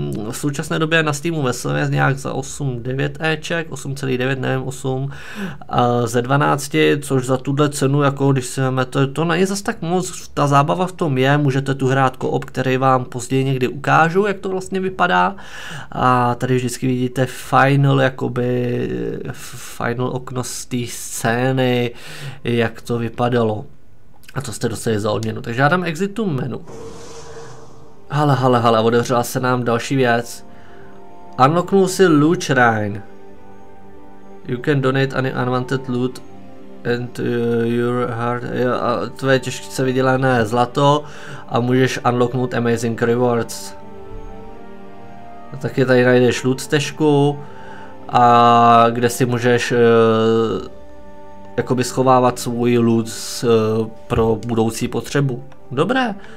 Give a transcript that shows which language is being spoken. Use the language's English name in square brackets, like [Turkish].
[Czech] v současné době na Steamu veselně nějak za 8,9 Eček, 8,9, nevím, 8 ze 12, což za tuhle cenu, jako když si máme, to není zas tak moc, ta zábava v tom je, můžete tu hrát koop, který vám později někdy ukážu, jak to vlastně vypadá a tady vždycky vidíte final, jakoby final okno z té scény, jak to vypadalo a co jste dostali za odměnu, takže já dám exit tu menu. Hele, odevřela se nám další věc. Unlocknul si loot shrine. [English] You can donate any unwanted loot and your heart. [Czech] Tvoje těžce vydělané zlato a můžeš unlocknout [English] amazing rewards. [Czech] Taky tady najdeš loot stežku a kde si můžeš jakoby schovávat svůj loot pro budoucí potřebu. Dobré.